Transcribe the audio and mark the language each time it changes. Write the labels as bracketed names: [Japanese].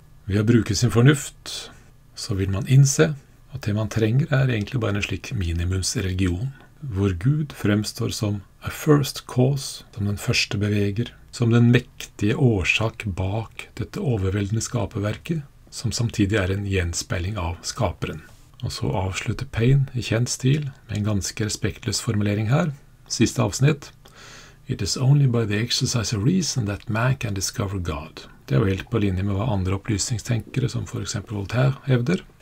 [Norwegian] Ved å bruke sin fornuft, så vil man innse at det man trenger er egentlig bare en slik minimumsreligion, hvor Gud fremstår som [English] «a first cause», [Norwegian] som den første beveger, som den mektige årsak bak dette overveldende skaperverket, som samtidig er en gjenspeiling av skaperen. Og så avslutter Paine i kjent stil med en ganske respektløs formulering her. Siste avsnitt. [English] «It is only by the exercise of reason that man can discover God.» [Norwegian] Det er jo helt på linje med hva andre opplysningstenkere, som for eksempel Voltaire, hevder.